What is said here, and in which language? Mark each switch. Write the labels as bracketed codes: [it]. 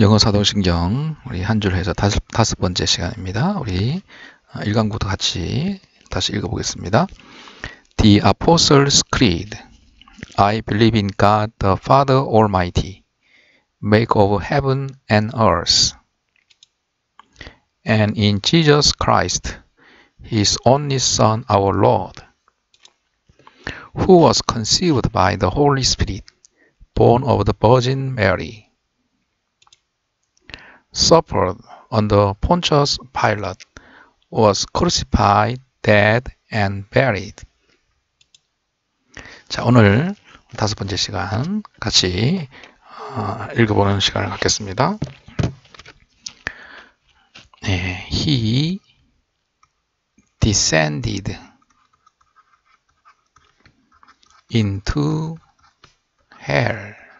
[ko] 영어 사도신경 우리 한줄 해서 다섯 번째 시간입니다. 우리 1강부터 같이 다시 읽어보겠습니다. [en] The Apostles' Creed. I believe in God, the Father Almighty, maker of heaven and earth, and in Jesus Christ, his only Son, our Lord, who was conceived by the Holy Spirit, born of the Virgin Mary, suffered under Pontius Pilate, was crucified, dead, and buried. [ko] 자, 오늘 다섯 번째 시간 같이 읽어보는 시간을 갖겠습니다. [en] 네, he descended into hell.